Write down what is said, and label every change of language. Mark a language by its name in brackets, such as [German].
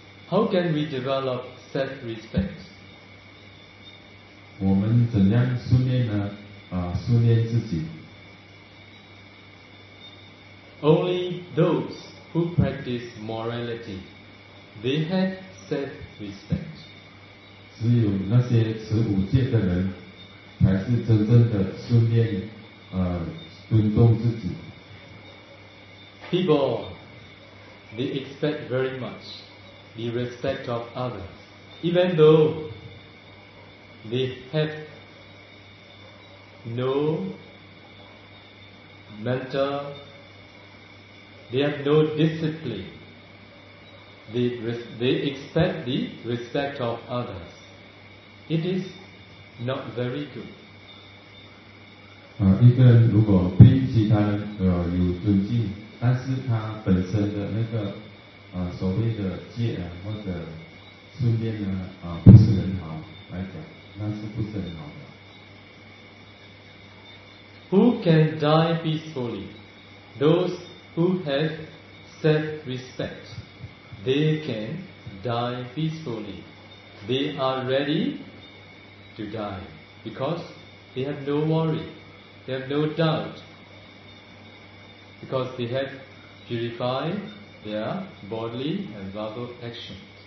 [English] How can we develop self-respect? [Chinese] 我们怎样训练呢？训练自己。 [English] Only those who practice morality, they have self-respect. [Chinese] 只有那些持五戒的人，才是真正的训练。尊重自己。 [English] People, they expect very much the respect of others, even though they have no mental, they have no discipline. They expect the respect of others. It is not very good. [Chinese] 一个人如果对其他人有尊敬，但是他本身的那个所谓的戒啊或者训练呢不是很好来讲，那是不是很好的。 [English] Who can die peacefully? Those who have self-respect, they can die peacefully. They are ready to die because they have no worry. They have no doubt because they have purified their bodily and verbal actions.